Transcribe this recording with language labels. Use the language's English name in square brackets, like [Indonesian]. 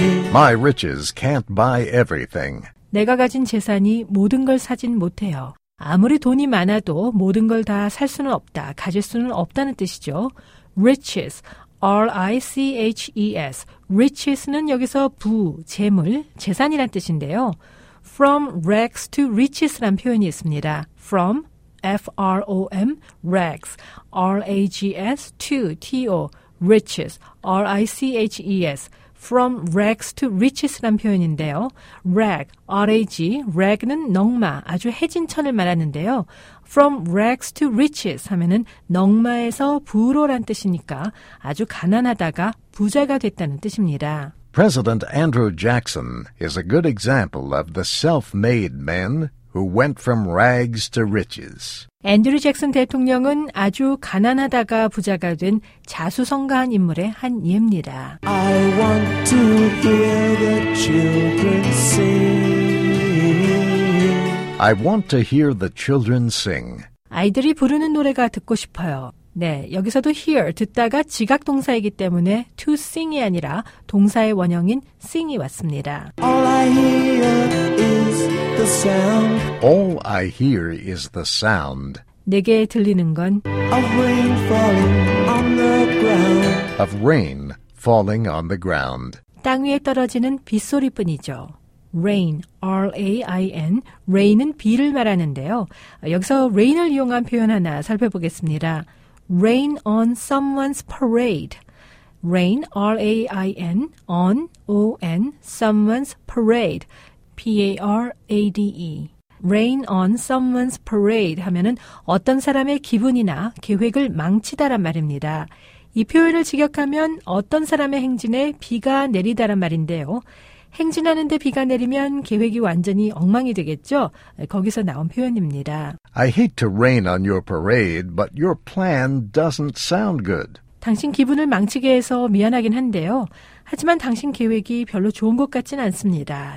[English] My riches can't buy everything. [Korean] 내가 가진 재산이 모든 걸 사진 못해요. 아무리 돈이 많아도 모든 걸 다 살 수는 없다, 가질 수는 없다는 뜻이죠. [English] Riches, R-I-C-H-E-S. [Korean] Riches는 여기서 부, 재물, 재산이란 뜻인데요. [English] From rags to riches [Korean] 란 표현이 있습니다. [English] From, F-R-O-M, rags, R-A-G-S, to, T-O, riches, R-I-C-H-E-S. From rags to riches [Korean] 란 표현인데요. Rag, R-A-G, rag는 넝마, 아주 해진 천을 말하는데요. [English] From rags to riches [Korean] 하면은 넝마에서 부로란 뜻이니까 아주 가난하다가 부자가 됐다는 뜻입니다. [English] President Andrew Jackson is a good example of the self-made man who went from rags to riches. [Korean] 앤드류 잭슨 대통령은 아주 가난하다가 부자가 된 자수성가한 인물의 한 예입니다. [English] I want to hear the children sing. I want to hear the children sing. [Korean] 아이들이 부르는 노래가 듣고 싶어요. 네, 여기서도 hear, 듣다가 지각 동사이기 때문에 to sing이 아니라 동사의 원형인 sing이 왔습니다. [English] All I hear is the sound. All I hear is the sound. [Korean] 내게 들리는 건 [English] of rain falling on the ground. Of rain falling on the ground. [Korean] 땅 위에 떨어지는 빗소리뿐이죠. Rain, R-A-I-N, rain은 비를 말하는데요. 여기서 rain을 이용한 표현 하나 살펴보겠습니다. [English] Rain on someone's parade. Rain, R-A-I-N, on, O-N, someone's parade. P-A-R-A-D-E. Rain on someone's parade [Korean] 하면은 어떤 사람의 기분이나 계획을 망치다란 말입니다. 이 표현을 직역하면 어떤 사람의 행진에 비가 내리다란 말인데요. 행진하는데 비가 내리면 계획이 완전히 엉망이 되겠죠? 거기서 나온 표현입니다. [English] I hate to rain on your parade, but your plan doesn't sound good. [Korean] 당신 기분을 망치게 해서 미안하긴 한데요. 하지만 당신 계획이 별로 좋은 것 같진 않습니다.